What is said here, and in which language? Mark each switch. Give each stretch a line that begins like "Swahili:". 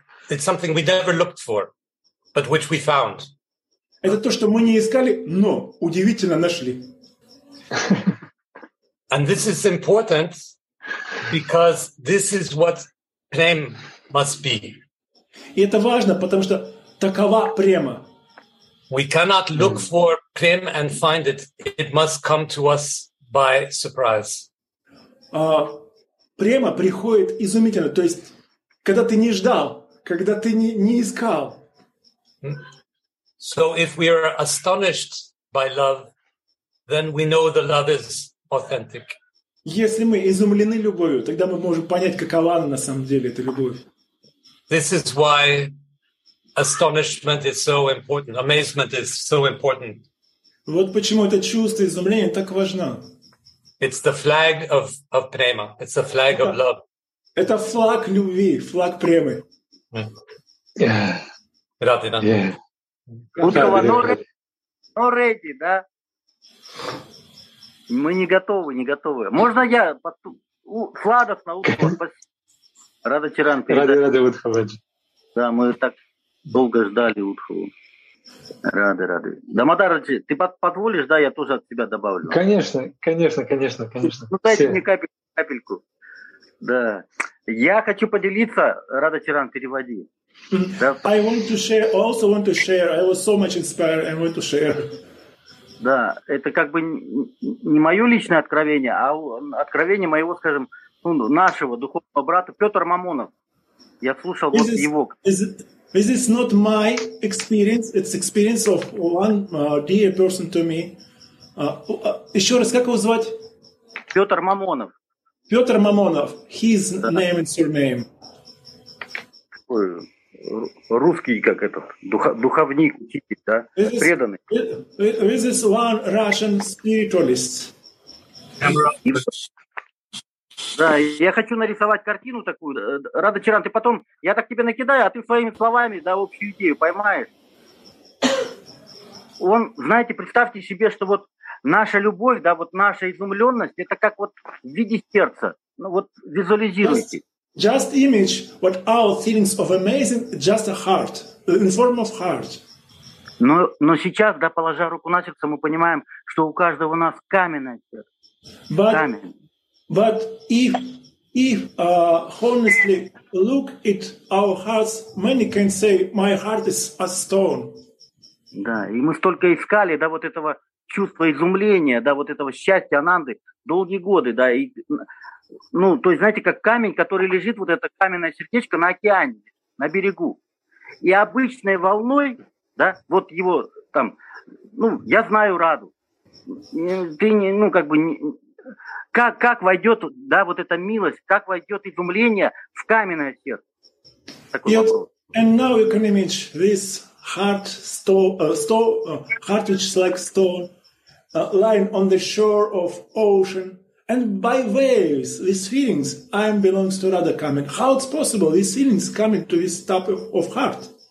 English: It's something we never looked for, but which we found.
Russian: Это то, что мы не искали, но удивительно нашли.
English: And this is important because this is what prem must be.
Russian: И это важно, потому что такова према.
English: We cannot look for prem and find it. It must come to us by surprise.
Russian: Према приходит изумительно. То есть, когда ты не ждал, когда ты не искал.
English: So if we are astonished by love, then we know the love is authentic.
Russian: Если мы изумлены любовью, тогда мы можем понять, какова она на самом деле, эта любовь.
English: This is why astonishment is so important. Amazement is so important.
Russian: Вот почему это чувство изумления так важно.
English: It's the flag of prema. It's the flag of love.
Russian: Это флаг любви, флаг премы. Рады, да? Удова, но ready, да? Мы не готовы, не готовы. Можно я? Сладостно, Удова. Рада, Тиран. Рады, Удхова. Да, мы так долго ждали Удхову. Рады, рады. Дамодараджи, ты позволишь, да, я тоже от тебя добавлю? Конечно, конечно, конечно, конечно. Ну, дайте мне капельку. Да. Я хочу поделиться, Рада Тиран, переводи. Да.
English: I want to share, also want to share. I was so much inspired and want to share.
Russian: Да, это как бы не мое личное откровение, а откровение моего, скажем, нашего духовного брата Петр Мамонов. Я слушал вот его.
English: This is not my experience. It's experience of one dear person to me.
Russian: Еще раз, как его звать? Петр Мамонов.
English: Петр Мамонов. His name and surname.
Russian: Такой русский, как этот, духовник, учитель, да? Преданный.
English: This is one Russian spiritualist.
Russian: Да, я хочу нарисовать картину такую. Рада Чиран, ты потом, я так тебе накидаю, а ты своими словами, да, общую идею поймаешь. Он, знаете, представьте себе, что вот наша любовь, да, вот наша изумленность, это как вот в виде сердца. Ну вот визуализируйте.
English: Just image what our feelings of amazing, just a heart, in form of heart.
Russian: Но сейчас, да, положа руку на сердце, мы понимаем, что у каждого у нас каменное сердце. But... Каменное.
English: But if honestly look at our hearts, many can say, my heart is a stone.
Russian: Да, и мы столько искали, да, вот этого чувства изумления, да, вот этого счастья Ананды долгие годы, да, и ну, то есть, знаете, как камень, который лежит, вот это каменное сердечко на океане, на берегу. И обычной волной, да, вот его там, ну, я знаю Раду. Ты не, ну, как бы, не, как войдет, да, вот эта милость, как войдет изумление в каменное сердце? Такой yes. вопрос.
English: And now you can image this heart, heart which is like stone, lying on the shore of ocean. And by waves, these feelings, I am belongs to Radha coming. How it's possible these feelings coming to this type of heart?